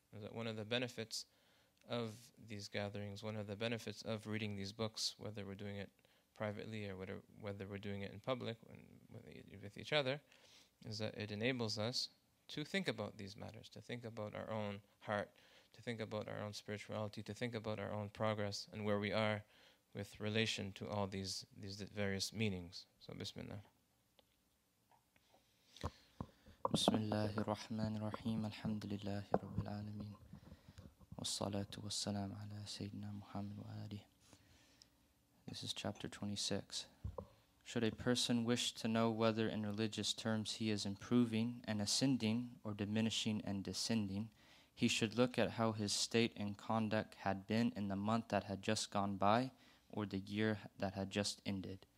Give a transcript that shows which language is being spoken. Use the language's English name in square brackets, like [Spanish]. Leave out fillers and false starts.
[English] Is that one of the benefits of these gatherings, one of the benefits of reading these books, whether we're doing it privately or whether we're doing it in public with each other, is that it enables us to think about these matters, to think about our own heart, to think about our own spirituality, to think about our own progress and where we are with relation to all these various meanings. So Bismillah. [Arabic] بسم الله الرحمن الرحيم الحمد لله رب العالمين والصلاة والسلام على سيدنا محمد وآله. [English] This is chapter 26. Should a person wish to know whether in religious terms he is improving and ascending or diminishing and descending, he should look at how his state and conduct had been in the month that had just gone by or the year that had just ended.